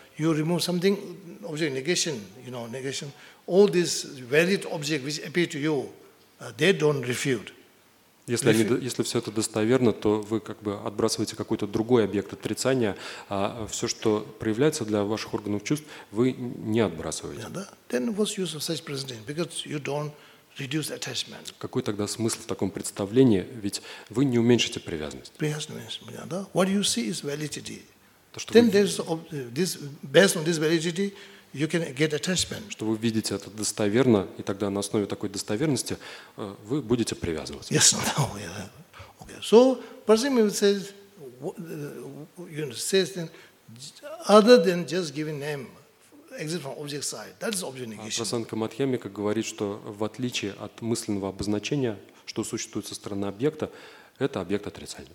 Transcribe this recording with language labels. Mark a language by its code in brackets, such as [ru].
[en] You remove something, object negation, you know, negation. All these valid objects which appear to you, they don't refute. [ru] Если, они, если все это достоверно, то вы как бы отбрасываете какой-то другой объект отрицания, а все, что проявляется для ваших органов чувств, вы не отбрасываете. [en] Then what's use of such presentation? Because you don't reduce attachment. [ru] Какой тогда смысл в таком представлении? Ведь вы не уменьшите привязанность. [en] What you see is validity. Then there's this based on this validity. You can get attachment. [ru] Что вы видите это достоверно, и тогда на основе такой достоверности вы будете привязываться. Yes, no, yeah. Okay. [en] So, Parsimian says, you know, says then, other than just giving name, exit from object side, that is object negation. [ru] Прасанка Мадхьямика говорит, что в отличие от мысленного обозначения, что существует со стороны объекта, это объект отрицания.